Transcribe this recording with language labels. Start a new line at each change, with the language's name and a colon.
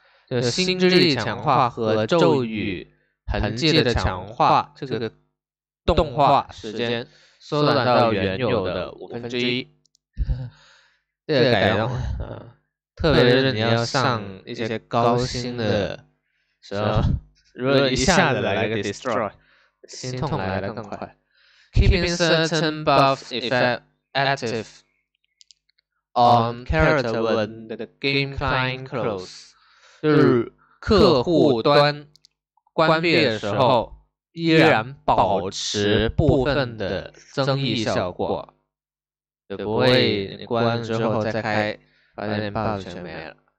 Chinese: 就是心之力强化和咒语痕迹的强化，这个动画时间缩短到原有的1/5。这个改动，特别是你要上一些高星的时候，如果一下子来个 destroy， 心痛来的更快。
English: Keeping certain buffs effect active on character when the game client close。
Chinese: 就是客户端关闭的时候依然保持部分的增益效果，就不会关之后再开发现 buff 全没了。